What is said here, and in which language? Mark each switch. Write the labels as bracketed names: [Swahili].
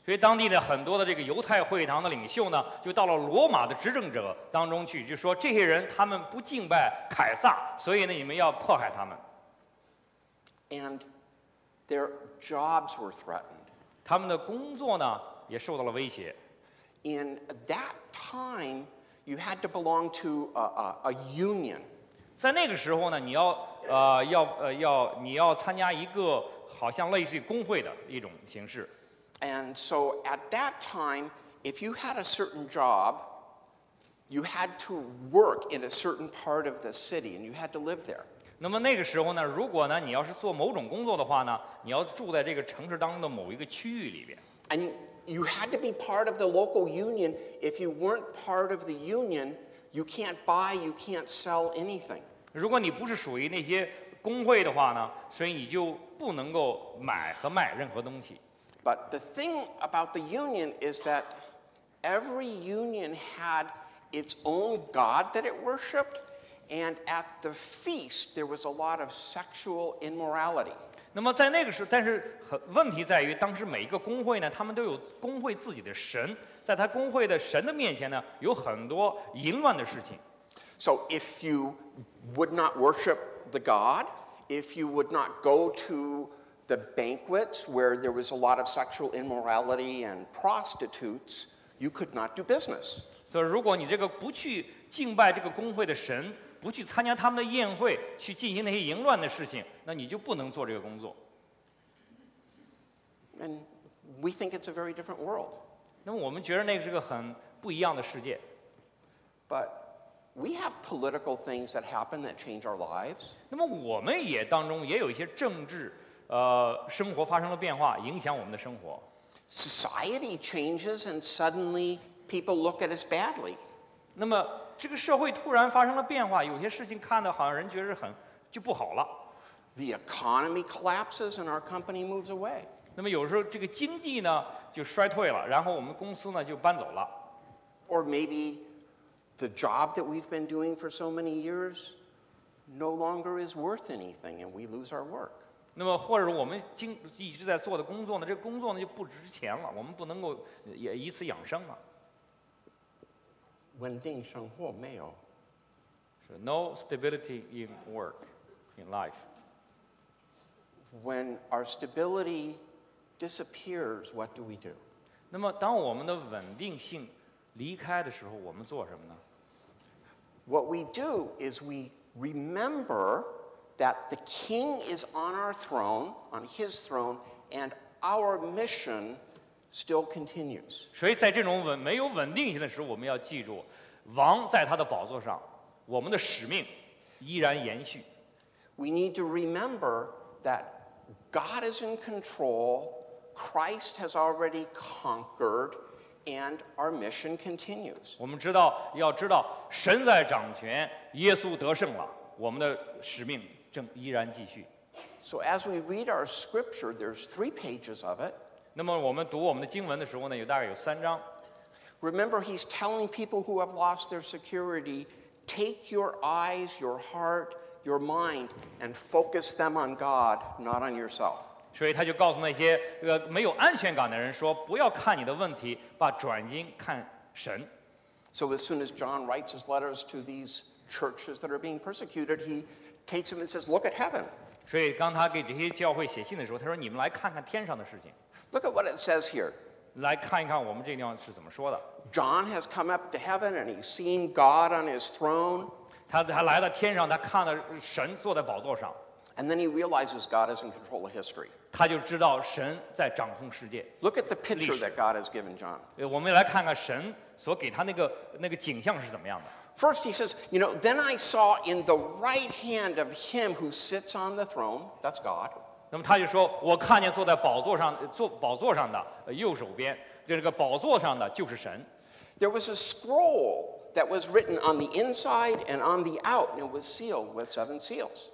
[Chinese] 所以当地的很多的这个犹太会堂的领袖呢，就到了罗马的执政者当中去，就说这些人他们不敬拜凯撒，所以呢你们要迫害他们。 [English] And their jobs were threatened. [Chinese] 他们的工作呢也受到了威胁。 [English] In that time. You had to belong to a union. [Chinese] 在那个时候呢，你要你要参加一个好像类似于工会的一种形式。 [English] And so at that time, if you had a certain job, you had to work in a certain part of the city, and you had to live there. [Chinese] 那么那个时候呢，如果呢你要是做某种工作的话呢，你要住在这个城市当中的某一个区域里边。 [English] And you had to be part of the local union. If you weren't part of the union, you can't buy, you can't sell anything. [Chinese] 如果你不是属于那些工会的话呢，所以你就不能够买和卖任何东西。 [English] But the thing about the union is that every union had its own god that it worshipped, and at the feast there was a lot of sexual immorality. [Chinese] 那么在那个时候，但是问题在于，当时每一个工会呢，他们都有工会自己的神，在他工会的神的面前呢，有很多淫乱的事情。 [English] So if you would not worship the god, if you would not go to the banquets where there was a lot of sexual immorality and prostitutes, you could not do business. [Chinese] So 如果你这个不去敬拜这个工会的神，不去参加他们的宴会，去进行那些淫乱的事情，那你就不能做这个工作。 [English] And we think it's a very different world. [Chinese] 那么我们觉得那个是个很不一样的世界。 [English] But we have political things that happen that change our lives. [Chinese] 那么我们也当中也有一些政治，生活发生了变化，影响我们的生活。 [English] Society changes and suddenly people look at us badly. [Chinese] 那么这个社会突然发生了变化，有些事情看的好像人觉得很就不好了。 [English] The economy collapses and our company moves away. [Chinese] 那么有时候这个经济呢就衰退了，然后我们公司呢就搬走了。 [English] Or maybe the job that we've been doing for so many years no longer is worth anything and we lose our work. [Chinese] 那么或者我们一直在做的工作呢，这个工作呢就不值钱了，我们不能够也以此养生了。稳定生活没有。 [English] So, no stability in work, in life. When our stability disappears, what do we do? [Chinese] 那么当我们的稳定性离开的时候，我们做什么呢？ [English] What we do is we remember that the king is on our throne, on his throne, and our mission still continues. [Chinese] 所以在这种没有稳定性的时候，我们要记住王在他的宝座上，我们的使命依然延续。 [English] We need to remember that God is in control, Christ has already conquered, and our mission continues. [Chinese] 我们知道，要知道神在掌权，耶稣得胜了，我们的使命正依然继续。 [English] So as we read our scripture, there's three pages of it. [Chinese] 那么我们读我们的经文的时候呢，有大概有三章。 [English] Remember, he's telling people who have lost their security, take your eyes, your heart, your mind, and focus them on God, not on yourself. [Chinese] 所以他就告诉那些没有安全感的人说，不要看你的问题，把转睛看神。 [English] So as soon as John writes his letters to these churches that are being persecuted, he takes them and says, look at heaven. [Chinese] 所以当他给这些教会写信的时候，他说你们来看看天上的事情。 [English] Look at what it says here. [Chinese] 来看一看我们这个地方是怎么说的。 [English] John has come up to heaven and he's seen God on his throne. [Chinese] 他来到天上，他看到神坐在宝座上。 [English] And then he realizes God is in control of history. [Chinese] 他就知道神在掌控世界。 [English] Look at the picture that God has given John. [Chinese] 我们来看看神所给他那个景象是怎么样的。 [English] First he says, you know, then I saw in the right hand of him who sits on the throne, that's God. [Chinese] 那么他就说，我看见坐在宝座上，坐宝座上的右手边，就这个宝座上的就是神。 [English] There was a scroll that was written on the inside and on the out, and it was sealed with seven seals.